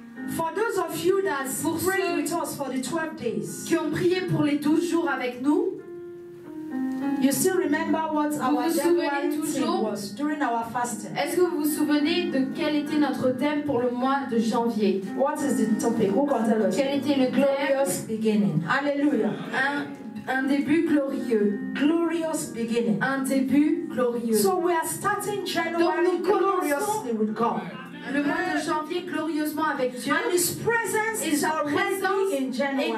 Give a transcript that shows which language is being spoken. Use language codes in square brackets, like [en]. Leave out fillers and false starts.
[en] For those of you that prayed with us for the 12 days, [fr] qui ont prié pour les 12 jours avec nous, [en] you still remember what [fr] vous [en] our [fr] vous souvenez toujours [en] was during our fasting? [fr] Est-ce que vous vous souvenez de quel était notre thème pour le mois de janvier? [en] What is the topic? Who can tell us? [fr] Quel était le thème? [en] Glorious beginning. Alléluia. [fr] Un début glorieux. [en] Glorious beginning. [fr] Un début glorieux. [en] So we are starting January gloriously with God. [fr] Le mois de janvier glorieusement avec Dieu. [en] And His presence is already in January.